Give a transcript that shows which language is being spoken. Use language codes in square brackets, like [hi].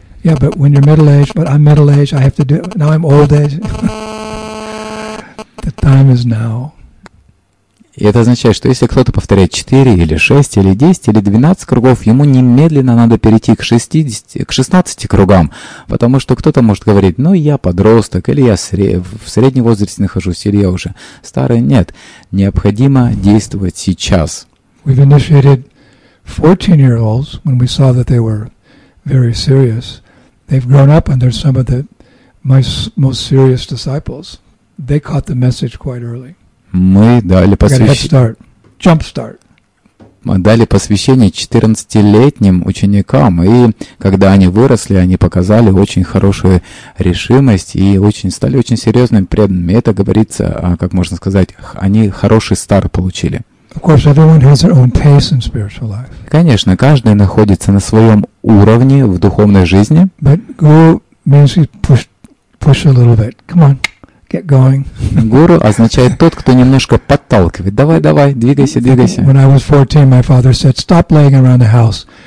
[en] Yeah, but when you're middle-aged, but I'm middle-aged, I have to do it. Now I'm old-aged. The time is now. [ru] И это означает, что если кто-то повторяет 4, или 6, или 10, или 12 кругов, ему немедленно надо перейти к 16 кругам, потому что кто-то может говорить, ну, я подросток, или я в среднем возрасте нахожусь, или я уже старый. Нет, необходимо действовать сейчас. [en] We've initiated 14-year-olds when we saw that they were very serious. They've grown up and they're some of my most serious disciples. They caught the message quite early. [ru] Мы дали посвящение. [en] Start. Jump start. [ru] Мы дали посвящение 14-летним ученикам, и когда они выросли, они показали очень хорошую решимость и стали очень серьезными преданными. Это говорится, как можно сказать, они хороший старт получили. [en] Of course, everyone has their own pace in spiritual life. [ru] Конечно, каждый находится на своем уровне в духовной жизни. [en] But guru means you push a little bit. Come on. Get going. [ru] Гуру означает тот, кто немножко подталкивает. Давай, двигайся. [en] When I was 14, my father said, "Stop laying around the house.